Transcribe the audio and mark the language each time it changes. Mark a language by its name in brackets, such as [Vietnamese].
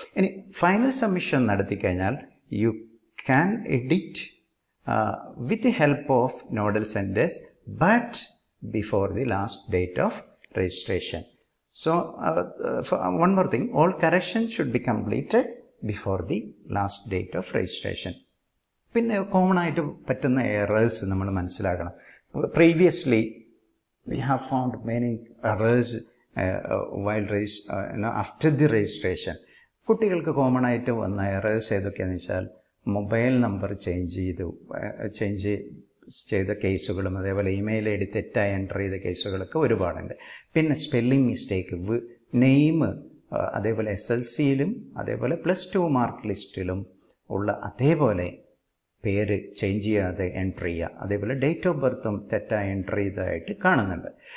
[Malayalam] ഇനി final submission നടത്തിക്കഴിഞ്ഞാൽ [English] You can edit with the help of nodal centres, but before the last date of registration. So one more thing, all correction should be completed before the last date of registration. [Malayalam] പിന്നെ common ആയിട്ട് പറ്റുന്ന errors നമ്മൾ മനസ്സിലാക്കണം. [English] Previously we have found many errors while after the registration. [Malayalam] കുട്ടികൾക്ക് common ആയിട്ട് വന്ന errors ഏതൊക്കെയാന്ന് വെച്ചാൽ mobile number change ചെയ്ത കേസുകളും അതേപോലെ ഇമെയിൽ ഐ ഡി തെറ്റായി എൻ്റർ ചെയ്ത കേസുകളൊക്കെ ഒരുപാടുണ്ട്. പിന്നെ സ്പെല്ലിംഗ് മിസ്റ്റേക്ക്, നെയിം അതേപോലെ എസ് എൽ സിയിലും അതേപോലെ പ്ലസ് ടു മാർക്ക് ലിസ്റ്റിലും ഉള്ള അതേപോലെ പേര് ചേഞ്ച് ചെയ്യാതെ എൻട്രി ചെയ്യുക, അതേപോലെ ഡേറ്റ് ഓഫ് ബർത്തും തെറ്റായി എൻട്രി ചെയ്തതായിട്ട് കാണുന്നുണ്ട്.